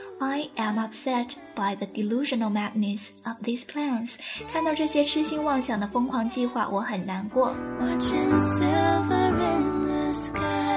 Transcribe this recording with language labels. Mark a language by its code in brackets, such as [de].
[en] I am upset by the delusional madness of these plans. [zh] 看到这些痴心妄想的疯狂计划，我很难过。 [en] Watching silver in the sky.